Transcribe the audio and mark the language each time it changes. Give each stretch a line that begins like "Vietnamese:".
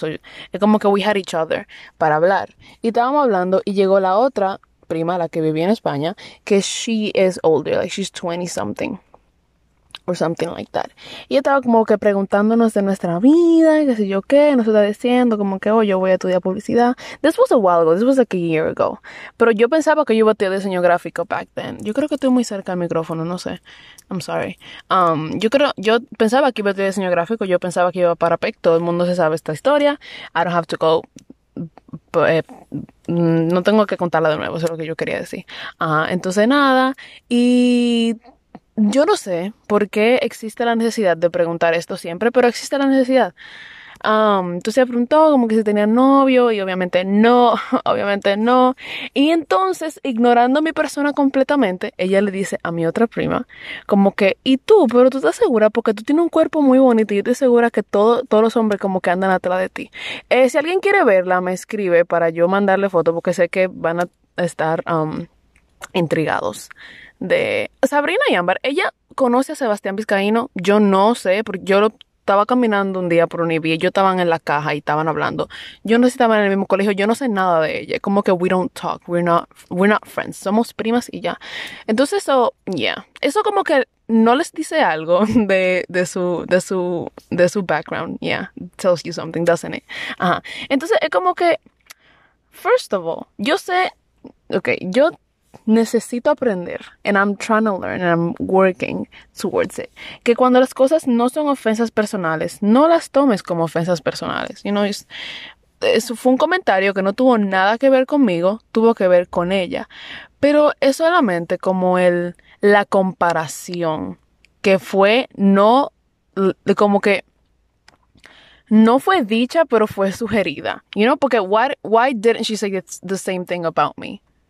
Spanish: So, es como que
English: we had each other
Spanish: para hablar. Y estábamos hablando y llegó la otra prima, la que vivía en España, que
English: she is older, like she's 20 something or something like that.
Spanish: Y estaba como que preguntándonos de nuestra vida, qué sé yo qué, nos está diciendo como que, oh, yo voy a estudiar publicidad.
English: This was a while ago, this was like a year ago.
Spanish: Pero yo pensaba que yo iba a estudiar diseño gráfico
English: back then.
Spanish: Yo creo que estoy muy cerca del micrófono, no sé.
English: I'm sorry.
Spanish: Yo pensaba que iba a estudiar diseño gráfico, yo pensaba que iba para PEC, todo el mundo se sabe esta historia.
English: I don't have to go.
Spanish: No tengo que contarla de nuevo, eso es lo que yo quería decir. Entonces nada, y yo no sé por qué existe la necesidad de preguntar esto siempre, pero existe la necesidad. Entonces preguntó como que si tenía novio y obviamente no. Y entonces, ignorando a mi persona completamente, ella le dice a mi otra prima, como que, ¿y tú? ¿Pero tú estás segura? Porque tú tienes un cuerpo muy bonito y yo estoy segura que todos los hombres como que andan atrás de ti. Si alguien quiere verla, me escribe para yo mandarle foto porque sé que van a estar intrigados. De Sabrina y Ámbar, ella conoce a Sebastián Vizcaíno, yo no sé, porque yo lo estaba caminando un día por un IB, yo estaba en la caja y estaban hablando. Yo no sé si estaban en el mismo colegio, yo no sé nada de ella. Como que
English: we don't talk, we're not friends.
Spanish: Somos primas y ya. Entonces eso, yeah. Eso como que no les dice algo de su background.
English: Yeah, tells you something, doesn't it?
Spanish: Ajá. Entonces es como que,
English: first of all,
Spanish: yo sé, okay, yo necesito aprender,
English: and I'm trying to learn, and I'm working towards it,
Spanish: que cuando las cosas no son ofensas personales, no las tomes como ofensas personales,
English: you know,
Spanish: eso fue un comentario que no tuvo nada que ver conmigo, tuvo que ver con ella, pero es solamente como el la comparación, que fue no, como que no fue dicha, pero fue sugerida.
English: You know,
Spanish: porque
English: why didn't she say the same thing about me?